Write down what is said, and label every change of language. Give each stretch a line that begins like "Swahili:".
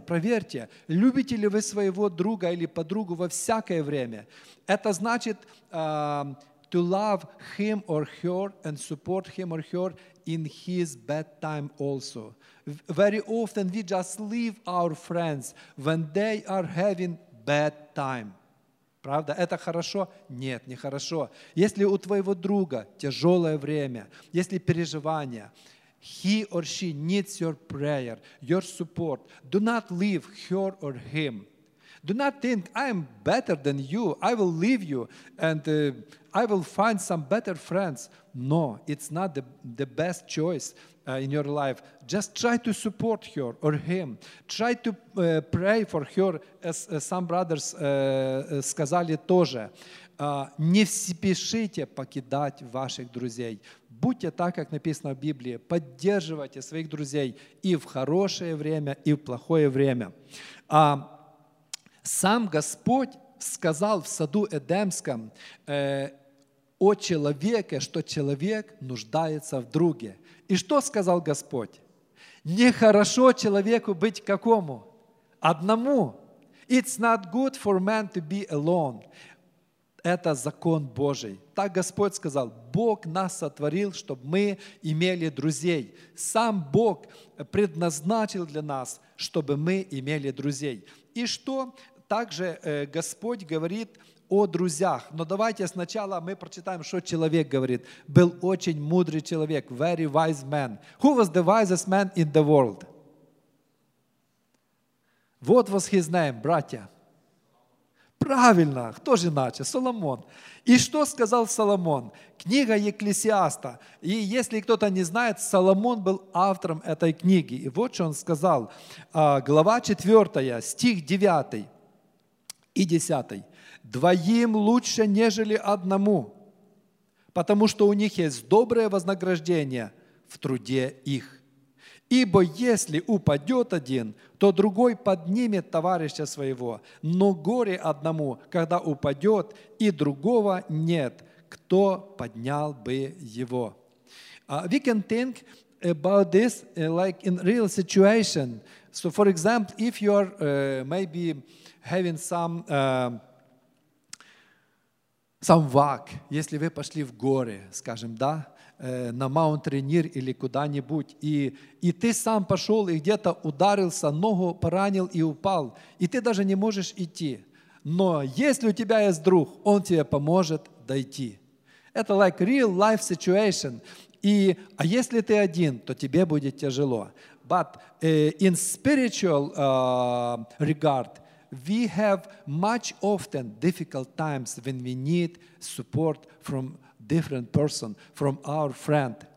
Russian: Проверьте, любите ли вы своего друга или подругу во всякое время. Это значит
English: to love him or her and support him or her in his bad time also. Very often we just leave our friends when they are having bad time.
Russian: Правда? Это хорошо? Нет, не хорошо. Если у твоего друга тяжелое время, если переживания,
English: he or she needs your prayer, your support. Do not leave her or him. Do not think, I am better than you. I will leave you and I will find some better friends. No, it's not the best choice in your life. Just try to support her or him. Try to pray for her, as some brothers
Russian: сказали тоже. Не спешите покидать ваших друзей. Будьте так, как написано в Библии. Поддерживайте своих друзей и в хорошее время, и в плохое время. Сам Господь сказал в саду Эдемском о человеке, что человек нуждается в друге. И что сказал Господь? Нехорошо человеку быть какому? Одному.
English: It's not good for man to be alone.
Russian: Это закон Божий. Так Господь сказал, Бог нас сотворил, чтобы мы имели друзей. Сам Бог предназначил для нас, чтобы мы имели друзей. И что? Также Господь говорит о друзьях. Но давайте сначала мы прочитаем, что человек говорит. Был очень мудрый человек,
English: very wise man. Who was the wisest man in the world? What was his name,
Russian: братья? Правильно, кто же иначе? Соломон. И что сказал Соломон? Книга Екклесиаста. И если кто-то не знает, Соломон был автором этой книги. И вот что он сказал. Глава 4, стих 9. И 10. Двоим лучше, нежели одному, потому что у них есть доброе вознаграждение в труде их. Ибо если упадет один, то другой поднимет товарища своего. Но горе одному, когда упадет, и другого нет, кто поднял бы его.
English: We can think about this like in real situation. So, for example, if you are maybe having some walk,
Russian: если вы пошли в горы, скажем, да, на Mount Rainier или куда-нибудь, и ты сам пошел и где-то ударился, ногу поранил и упал, и ты даже не можешь идти. Но если у тебя есть друг, он тебе поможет дойти. Это
English: like real life situation.
Russian: А если ты один, то тебе будет тяжело.
English: But in spiritual regard, we have much often difficult times when we need support from different person, from our friend.